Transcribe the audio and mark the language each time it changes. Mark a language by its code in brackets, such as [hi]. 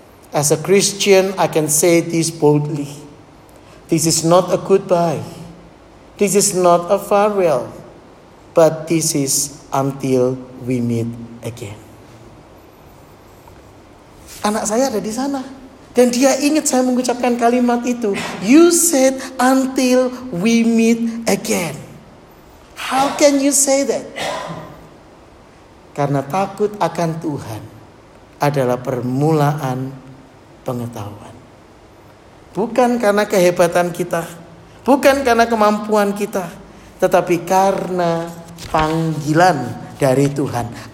[en] As a Christian, I can say this boldly. This is not a goodbye. This is not a farewell. But this is until we meet again. [id] Anak saya ada di sana. Dan dia ingat saya mengucapkan kalimat itu. [en] You said until we meet again. How can you say that? [id] Karena takut akan Tuhan adalah permulaan pengetahuan. Bukan karena kehebatan kita, bukan karena kemampuan kita, tetapi karena panggilan dari Tuhan.